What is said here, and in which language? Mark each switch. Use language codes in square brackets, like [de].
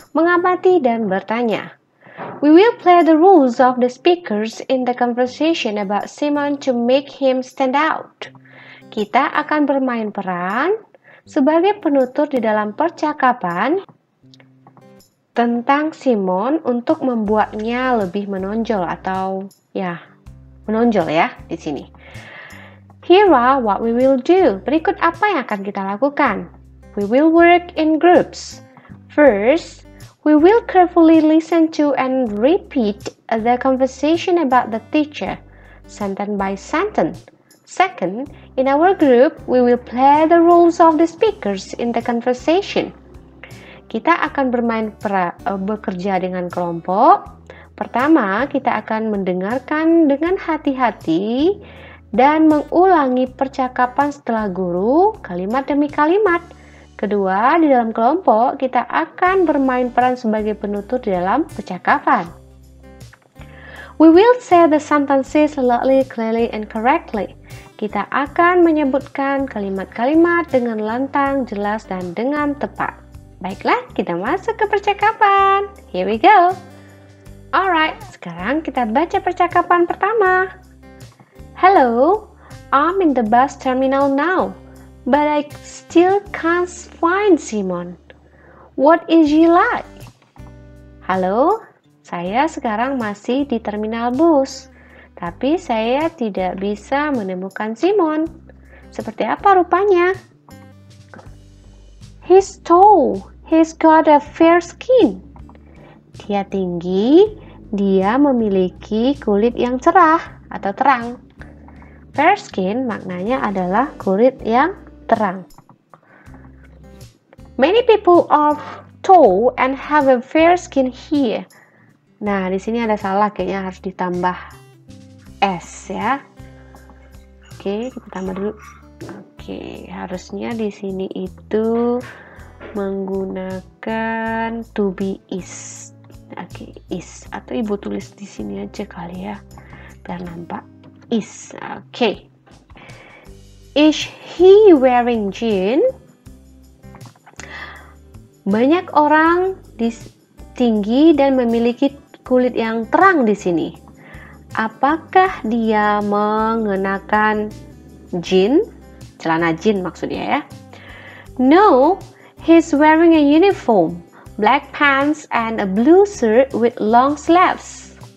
[id] Mengamati dan bertanya. [en] We will play the rules of the speakers in the conversation about Simon to make him stand out. [id] Kita akan bermain peran sebagai penutur di dalam percakapan tentang Simon untuk membuatnya lebih menonjol atau ya, menonjol ya di sini. [en] Here are what we will do. [id] Berikut apa yang akan kita lakukan. [en] We will work in groups. First, we will carefully listen to and repeat the conversation about the teacher, sentence by sentence. Second, in our group, we will play the roles of the speakers in the conversation. [id] Kita akan bermain bekerja dengan kelompok. Pertama, kita akan mendengarkan dengan hati-hati dan mengulangi percakapan setelah guru, kalimat demi kalimat. Kedua, di dalam kelompok, kita akan bermain peran sebagai penutur di dalam percakapan. [en] We will say the sentences loudly, clearly, and correctly. [id] Kita akan menyebutkan kalimat-kalimat dengan lantang, jelas, dan dengan tepat. Baiklah, kita masuk ke percakapan. [en] Here we go. [id] Alright, sekarang kita baca percakapan pertama. [en] Hello, I'm in the bus terminal now, but I still can't find Simon. What is he like? [id] Halo, saya sekarang masih di terminal bus. Tapi saya tidak bisa menemukan Simon. Seperti apa rupanya? [en] He's tall. He's got a fair skin. [id] Dia tinggi. Dia memiliki kulit yang cerah atau terang. Fair skin maknanya adalah kulit yang terang. [en] Many people are tall and have a fair skin here. [id] Nah, di sini ada salah. Kayaknya harus ditambah S ya. Oke, kita tambah dulu. Oke, harusnya di sini itu menggunakan to be is. Oke, is atau ibu tulis di sini aja kali ya. Biar nampak is. Oke. [en] Is he wearing jeans? [id] Banyak orang tinggi dan memiliki kulit yang terang di sini. Apakah dia mengenakan jeans? Celana jeans maksudnya ya. [en] No, he's wearing a uniform, black pants and a blue shirt with long sleeves.